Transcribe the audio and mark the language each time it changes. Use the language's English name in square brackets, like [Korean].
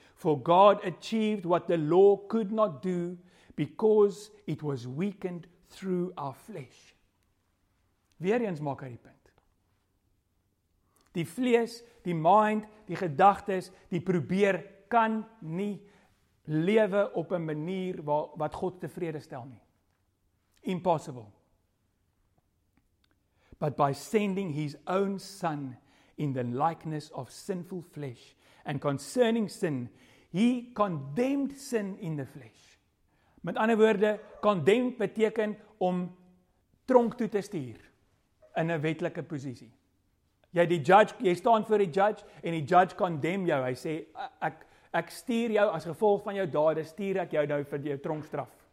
[English] For God achieved what the law could not do, because it was weakened through our flesh. [Afrikaans] Weer eens maak hy die punt. Die vlees, die mind, die gedagtes, die probeer kan nie lewe op 'n manier wat God tevrede stel nie. [English] Impossible. But by sending his own son in the likeness of sinful flesh and concerning sin, he condemned sin in the flesh. [Afrikaans] Met ander woorde, condemned beteken om tronk toe te stuur in 'n wetlike posisie. Jy die judge, jy staan voor die judge en die judge condemn jou. Hy sê, ek stuur jou as gevolg van jou dade, stuur ek jou nou vir jou tronkstraf.